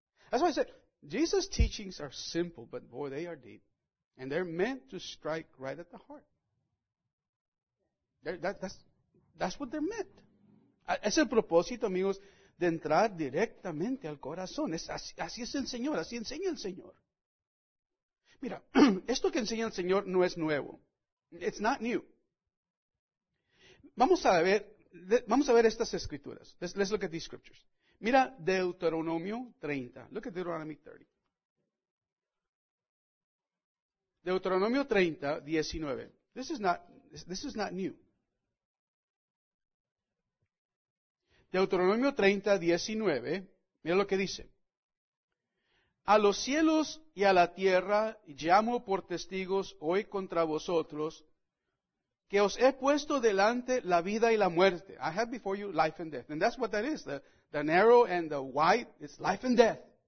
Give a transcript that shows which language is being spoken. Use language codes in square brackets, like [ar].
[en] That's why I said, Jesus' teachings are simple, but boy, they are deep. And they're meant to strike right at the heart. That's what they're meant. [es] Es el propósito, amigos, de entrar directamente al corazón. Así es el Señor, así enseña el Señor. Mira, esto que enseña el Señor no es nuevo. [en] It's not new. [es] Vamos a ver estas escrituras. [en] Let's look at these scriptures. [es] Mira Deuteronomio 30. [en] Look at Deuteronomy 30. Deuteronomio 30, 19. This is not new. [es] Deuteronomio 30, 19. Mira lo que dice. a los cielos y a la tierra llamo por testigos hoy contra vosotros, que os he puesto delante la vida y la muerte. [en] I have before you life and death. And that's what that is. The narrow and the wide, it's life and death.